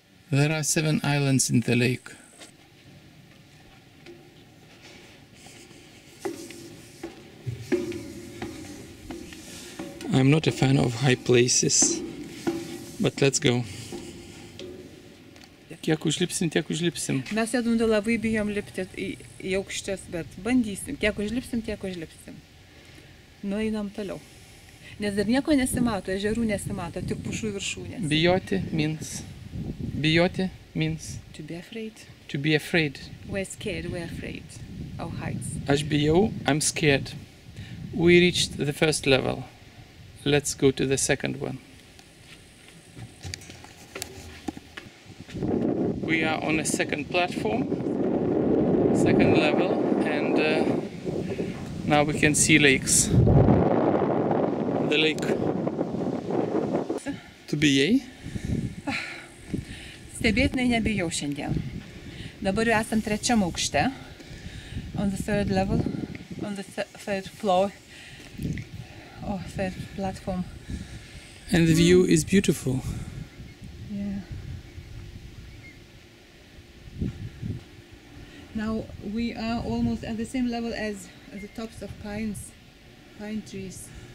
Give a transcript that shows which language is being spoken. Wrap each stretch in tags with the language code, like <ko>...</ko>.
<en>There are 7 islands in the lake. I'm not a fan of high places, but let's go.</en> <lt>Kiek užlipsim, tiek užlipsim. Mes Edmundu labai bijom lipti į aukštes, bet bandysim. Kiek užlipsim, tiek užlipsim. Nueinam toliau. Nes dar nieko nesimato, ežerų nesimato, tik pušų viršūnės.</lt> <en>Bijoti means. Bijoti means. To be afraid. To be afraid. We're scared, we're afraid of heights.</en> <lt>Aš bijau,</lt> <en>I'm scared. We reached the first level. Let's go to the second one. We are on a second platform, second level, and now we can see lakes. The lake.</en> <lt>Tu bijai? Stebėtinai nebijau šiandien. Dabar jau esam trečiam aukšte.</lt> <en>On the third level, on the third floor, or third platform. And the view is beautiful. Now we are almost at the same level as the tops of pines, pine trees.</en>